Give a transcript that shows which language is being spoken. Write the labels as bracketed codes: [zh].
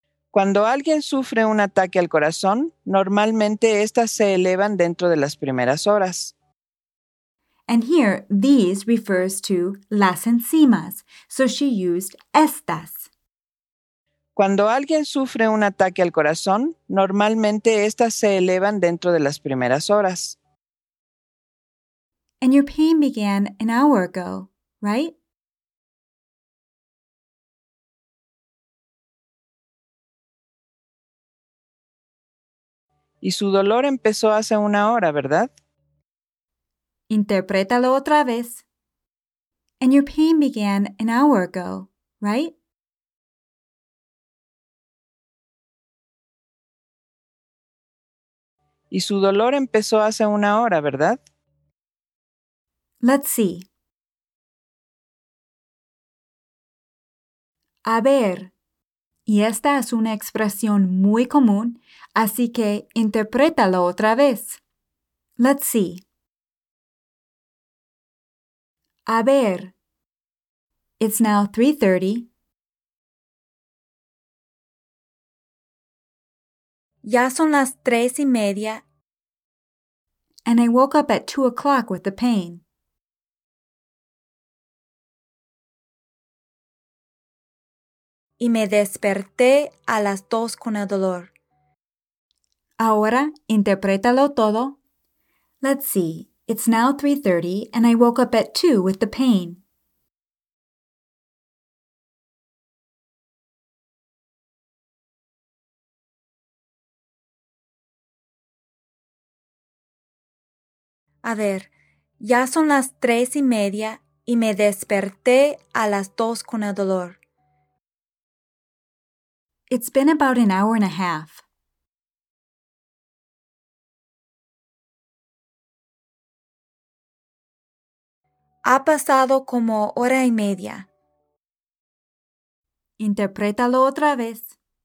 [es] Cuando alguien sufre un ataque al corazón, normalmente estas se elevan dentro de las primeras horas. [en] And here, these refers to [es] las enzimas, [en] so she used estas. [es] Cuando alguien sufre un ataque al corazón, normalmente estas se elevan dentro de las primeras horas. [en] And your pain began an hour ago, right? [es] Y su dolor empezó hace una hora, ¿verdad? Interprétalo otra vez. [en] And your pain began an hour ago, right? [es] Y su dolor empezó hace una hora, ¿verdad? [en] Let's see. [es] A ver. Y esta es una expresión muy común, así que interprétalo otra vez. [en] Let's see. [es] A ver. [en] It's now 3:30. [es] Ya son las 3:30. [en] And I woke up at 2:00 with the pain. [es] Y me desperté a las 2 con el dolor. Ahora, interprétalo todo. [en] Let's see. It's now 3:30 and I woke up at 2 with the pain. [es] A ver, ya son las 3:30 y me desperté a las 2 con el dolor. [en] It's been about an hour and a half. [es] Ha pasado como hora y media. Interprétalo otra vez.